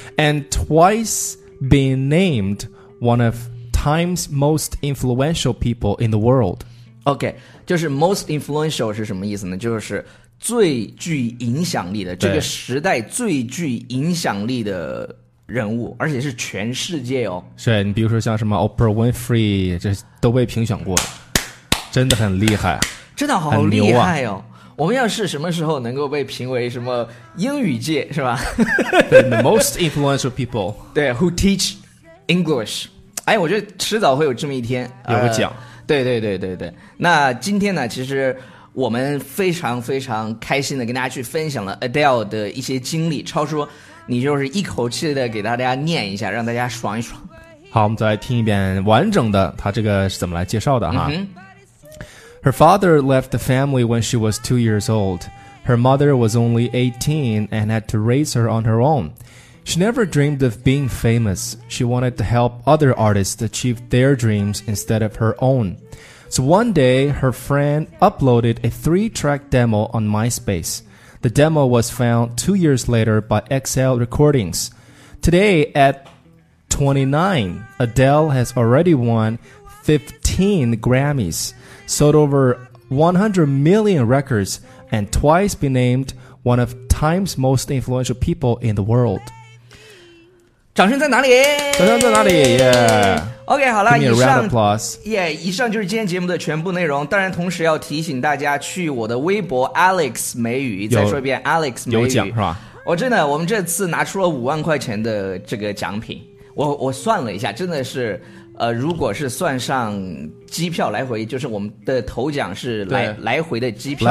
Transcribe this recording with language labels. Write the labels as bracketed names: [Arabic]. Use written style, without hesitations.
[English] And twice been named one of Time's most influential people in the world. [Chinese] OK， 就是 most influential 是什么意思呢？就是最具影响力的，这个时代最具影响力的人物，而且是全世界哦。是，你比如说像什么 Oprah Winfrey， 这都被评选过，真的很厉害，真的好厉害哦、啊、我们要是什么时候能够被评为什么英语界是吧？ [English] The most influential people，对， who teach English。 [Chinese] 哎，我觉得迟早会有这么一天有个奖、对对对对对。那今天呢，其实我们非常非常开心的跟大家去分享了 Adele 的一些经历。超叔，你就是一口气的给大家念一下，让大家爽一爽。好，我们再来听一遍完整的他这个是怎么来介绍的哈。嗯、 [English] Her father left the family when she was 2 years old. Her mother was only 18 and had to raise her on her own. She never dreamed of being famous. She wanted to help other artists achieve their dreams instead of her own. So one day, her friend uploaded a 3-track demo on MySpace. The demo was found 2 years later by XL Recordings. Today, at 29, Adele has already won 15 Grammys, sold over 100 million records, and twice been named one of Time's most influential people in the world. [Chinese] 掌声在哪里？掌声在哪里？Yeah. OK， 好了，以上就是今天节目的全部内容。当然，同时要提醒大家去我的微博 Alex 美语，再说一遍 Alex 美语有奖是吧？我真的，我们这次拿出了50000块钱的这个奖品，我算了一下，真的是，如果是算上机票来回，就是我们的头奖是来回的机票，